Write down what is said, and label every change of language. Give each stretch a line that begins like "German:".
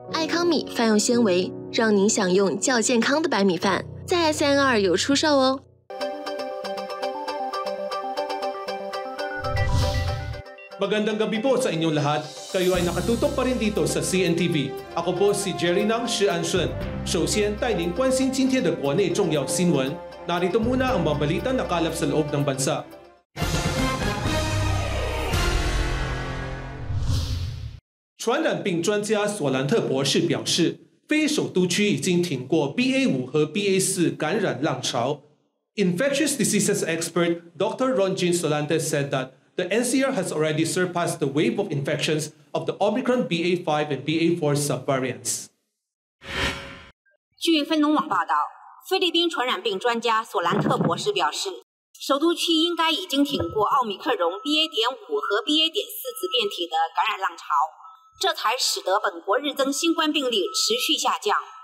Chinese: 爱康米饭用纤维，让您享用较健康的白米饭，在 SNR 有出售哦。
Filipino: Magandang gabi po sa inyong lahat. Kayo ay nakatutok pa rin dito sa CNTV. Ako po si Jerry Nang, 施安顺.
Chinese: 首先带您关心今天的国内重要新闻.
Filipino: Narito muna ang mga balita na kalap sa loob ng bansa.
Chinese: Coronavirus 专家索兰特博士表示，非首都区已经挺过 BA.5 和 BA.4 感染浪潮。
English: Infectious diseases expert Dr. Ronjin Solante said that. The NCR has already surpassed the wave of infections of the Omicron BA.5 and BA.4 subvariants.
Chinese: 据分农网报道，菲律宾传染病专家索兰特博士表示，首都区应该已经挺过奥密克戎 BA.5 和 BA.4 子变体的感染浪潮，这才使得本国日增新冠病例持续下降。